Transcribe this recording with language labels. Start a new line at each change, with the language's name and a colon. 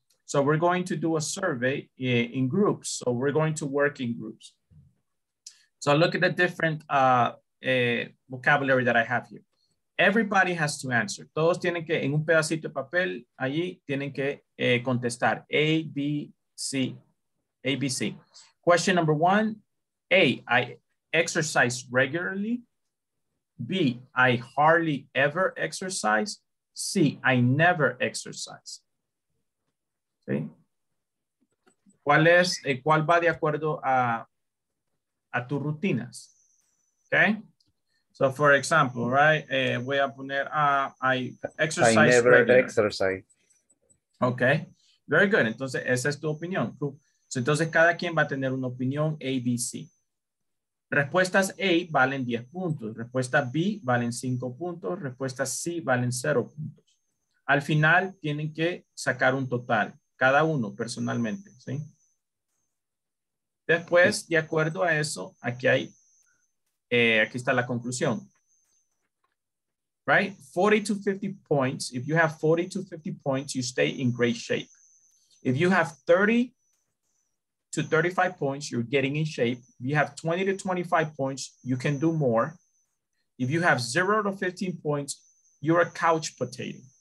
English: So we're going to do a survey in groups. So we're going to work in groups. So look at the different vocabulary that I have here. Everybody has to answer.
Spanish: Todos tienen que, en un pedacito de papel, allí tienen que contestar.
English: A, B, C. A, B, C. Question number one. A, I exercise regularly. B, I hardly ever exercise. C, I never exercise. ¿Sí?
Spanish: ¿Cuál es, cuál va de acuerdo a tus rutinas?
English: Okay. So, for example, right,
Spanish: voy a poner,
English: I exercise. I never exercise. Okay. Very good.
Spanish: Entonces, esa es tu opinión. Cool. So, entonces, cada quien va a tener una opinión A, B, C. Respuestas A valen 10 puntos. Respuesta B valen 5 puntos. Respuesta C valen 0 puntos. Al final, tienen que sacar un total. Cada uno personalmente, ¿sí? Después, de acuerdo a eso, aquí hay, aquí está la conclusión.
English: Right? 40 to 50 points. If you have 40 to 50 points, you stay in great shape. If you have 30 to 35 points, you're getting in shape. If you have 20 to 25 points, you can do more. If you have 0 to 15 points, you're a couch potato.